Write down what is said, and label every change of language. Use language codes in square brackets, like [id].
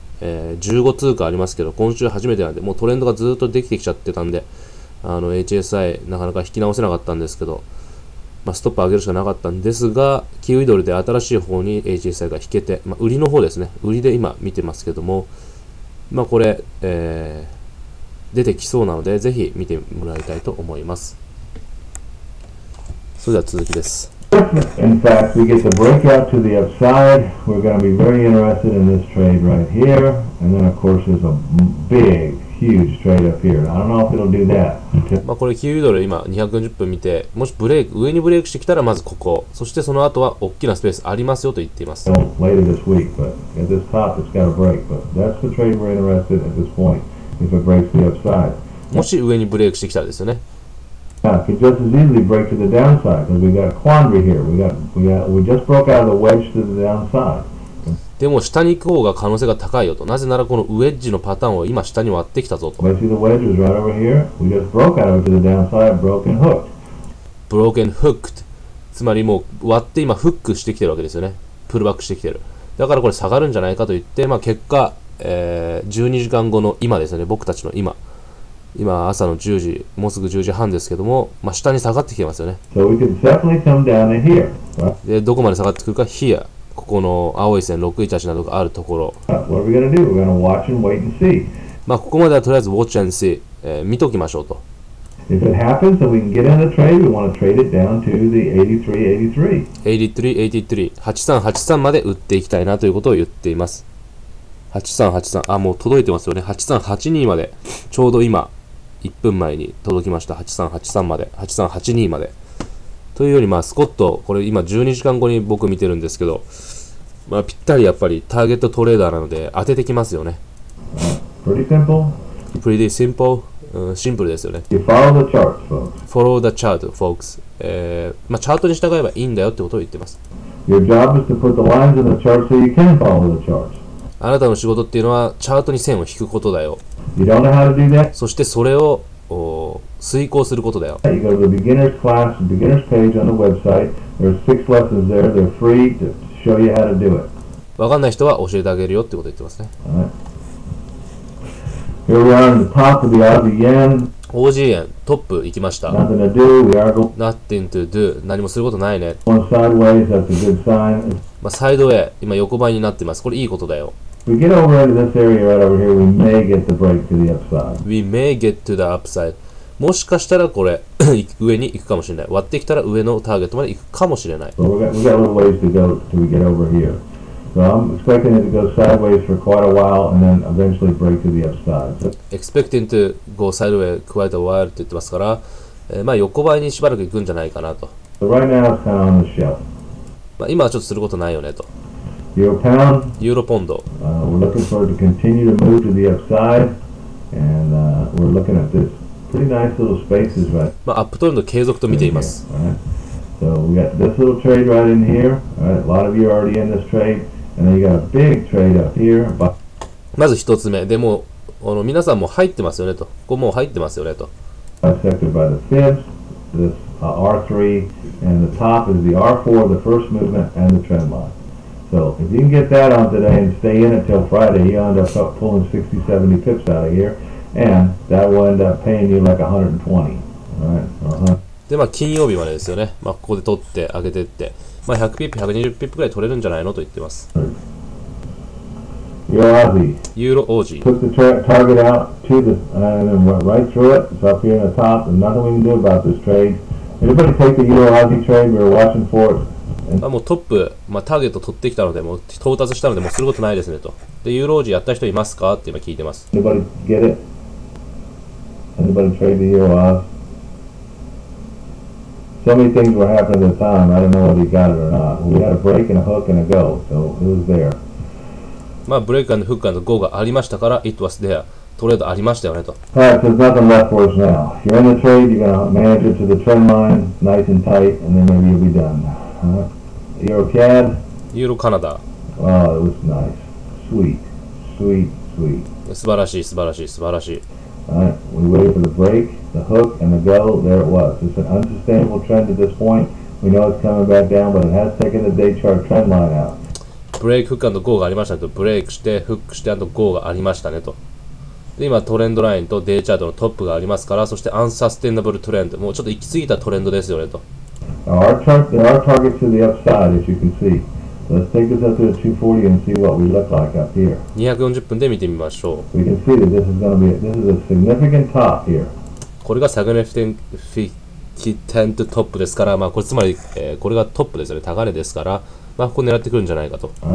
[ja] 15通貨ありますけど、今週初めてなんで、もうトレンドがずっとできてきちゃってたんで、あの HSI なかなか引き直せなかったんですけど、まあ、ストップ上げるしかなかったんですが、キウイドルで新しい方に HSI が引けて、まあ、売りの方ですね、売りで今見てますけども、まあこれ、出てきそうなのでぜひ見てもらいたいと思います。それでは続きです。 [en] In fact, we get the breakout to the upside. We're going to be very interested in this trade right here. And then, of course, there's a big, huge trade up here. I don't know if it'll do that. [ja] まあこれキウイドル今240分見て、もしブレイク、上にブレイクしてきたらまずここ、そしてその後は大きなスペースありますよと言っています。 [en] Later this week, but at this top, it's got a break. But that's the trade we're interested in at this point. If it breaks the upside. [ja] もし上にブレイクしてきたらですよね。 [en] Now, it could just as easily break to the downside because we got a quandary here. We just broke out of the wedge to the downside. [ja] でも下に行く方が可能性が高いよと。なぜならこのウェッジのパターンを今下に割ってきたぞと。 [en] But see the wedge is right over here. We just broke out of it to the downside, broken hooked. Broken hooked. [ja] つまりもう割って今フックしてきてるわけですよね。プルバックしてきてる。だからこれ下がるんじゃないかと言って、まあ結果、12時間後の今ですね。僕たちの今。今朝の10時、もうすぐ10時半ですけども、まあ、下に下がってきてますよね。 [en] So we can definitely come down in here. [ja] で、どこまで下がってくるか、 [en] here。 [ja] ここの青い線、618などがあるところ。 [en] What are we gonna do? We're gonna watch and wait and see. [ja] まあ、ここまではとりあえず [en] watch and see、 [ja] 見ときましょうと。 [en] If it happens and we can get in the trade, we want to trade it down to the 83.83.83.83.8383 [ja] まで売っていきたいなということを言っています。8383、あ、もう届いてますよね。 8382まで、ちょうど今、1分前に届きました。 8383まで、8382まで。というより、まあ、スコット、これ今12時間後に僕見てるんですけど、まあ、ぴったりやっぱりターゲットトレーダーなので、当ててきますよね。 [en] Pretty simple? Pretty simple?、 [ja] うん、シンプルですよね。 [en] You follow the chart, folks. Follow the chart, folks. [ja] まあ、チャートに従えばいいんだよってことを言ってます。 [en] Your job is to put the lines in the chart so you can follow the chart. [ja] あなたの仕事っていうのはチャートに線を引くことだよ。 [en] You don't know how to do that. [ja] そしてそれを遂行することだよ。 [en] You go to the beginner's class, the beginner's page on the website. There are 6 lessons there. They're free to show you how to do it. [ja] わかんない人は教えてあげるよってこと言ってますね。 [en] Right. Here we are on the top of the Aussie yen. [ja] Aussie yen, トップ行きました。 [en] Nothing to do. We are going. Nothing to do. [ja] 何もすることないね。 [en] Going sideways. That's a good sign. [ja] まあ、サイドウェイ、今横ばいになってます。これいいことだよ。 [en] We get over into this area right over here, we may get the break to the upside. We may get to the upside. [ja] もしかしたらこれ上に行くかもしれない。割ってきたら上のターゲットまで行くかもしれない。 [en] We got a little ways to go till we get over here. So I'm expecting it to go sideways for quite a while and then eventually break to the upside. Expecting to go sideways quite a while [ja] って言ってますから、まあ横ばいにしばらく行くんじゃないかなと。 [en] So right now it's kind of on the shelf. [ja] まあ、今はちょっとすることないよねと。 [en] Euro pound, [ja] ユーロポンド。 [en] We're looking for it to continue to move to the upside, and we're looking at this pretty nice little spaces, right? [ja] まあ、アップトレンド継続と見ています。 [en] So we got this little trade right in here. Right, a lot of you are already in this trade, and then you got a big trade up here. [ja] まず一つ目、でも皆さんも入ってますよねと。ここもう入ってますよねと。 [en] Affected by the fibs. R3 and the top is the R4, the first movement and the trend line. So if you can get that on today and stay in it till Friday, you'll end up pulling 60-70 pips out of here, and that will end up paying you like 120. [ja] でまあ金曜日までですよね。まあここで取って上げてって、まあ100ピップ、120ピップぐらい取れるんじゃないのと言ってます。 [en] Euro Aussie. Euro Aussie. Put the target out to the and then went right through it. It's up here in the top. There's nothing we can do about this trade. Anybody take the Euro Aussie trade? We're watching for it. [ja] まあもうトップ、まあターゲット取ってきたので、もう到達したので、もうすることないですねと。で、ユーロ Aussie やった人いますかって今聞いてます。 [en] Anybody get it? Anybody trade the Euro Aussie? So many things were happening at the time. I don't know whether you got it or not. We had a break and a hook and a go, so it was there. [ja] まあブレイクアンドフックアンドゴーがありましたから、 [en] it was there. [ja] トレードありましたよねと。 [en] はい、there's nothing left for us now. If you're in the trade, you're going to manage it to the trend line, nice and tight, and then maybe you'll be done. Euro CAD? Euro Canada. Oh, it was nice. Sweet. Sweet, sweet. [ja] 素晴らしい、素晴らしい、素晴らしい。 [en] Alright, we waited for the break, the hook, and the go. There it was. It's an unsustainable trend at this point. We know it's coming back down, but it has taken the day chart trend line out. [ja] ブレイク、フック&ゴーがありましたねと。ブレイクして、フックして&ゴーがありましたねと。で、今、トレンドラインとデイチャートのトップがありますから、そしてアンサステナブルトレンド。もうちょっと行き過ぎたトレンドですよねと。 [en] Now, our chart, there are targets to the upside, as you can see. Let's take this up to the 240 and see what we look like up here. [ja] 240分で見てみましょう。 [en] We can see that this is a significant top here. [ja] これがサグネフィテン、フィキテントトップですから、まあ、これつまり、これがトップですよね。高値ですから。まあ、ここ狙ってくるんじゃないかと。